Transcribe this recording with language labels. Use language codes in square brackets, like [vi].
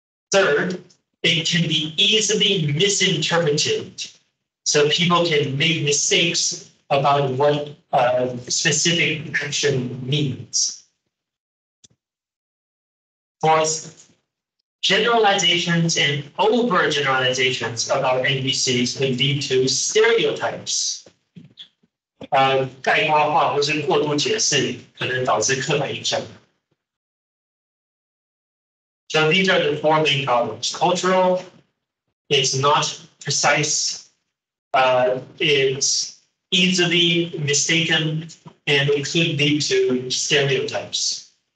[en] Third, it can be easily misinterpreted, so people can make mistakes about what a specific action means. Fourth, generalizations and overgeneralizations about NBCs can lead to stereotypes. [zh] Uh, 概括化或是过度解释可能导致刻板印象. [en] So these are the four main problems. Cultural, it's not precise, it's easily mistaken, and it could lead to stereotypes.